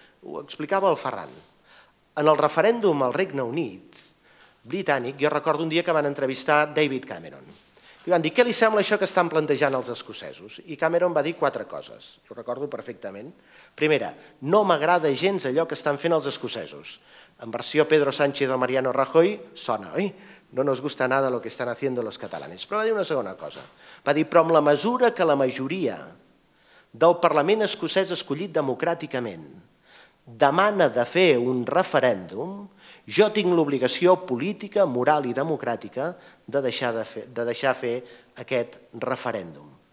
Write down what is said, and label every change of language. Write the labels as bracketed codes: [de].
[ca] Ho explicava el Ferran. En el referèndum al Regne Unit britànic, jo recordo un dia que van entrevistar David Cameron. I van dir, què li sembla això que estan plantejant els escocesos? I Cameron va dir quatre coses, ho recordo perfectament. Primera, no m'agrada gens allò que estan fent els escocesos. En versió Pedro Sánchez o Mariano Rajoy, sona, oi? [es] No nos gusta nada lo que están haciendo los catalanes. [ca] Però va dir una segona cosa. Va dir, però amb la mesura que la majoria del Parlament escocès escollit democràticament demana de fer un referèndum, jo tinc l'obligació política, moral i democràtica de deixar fer aquest referèndum.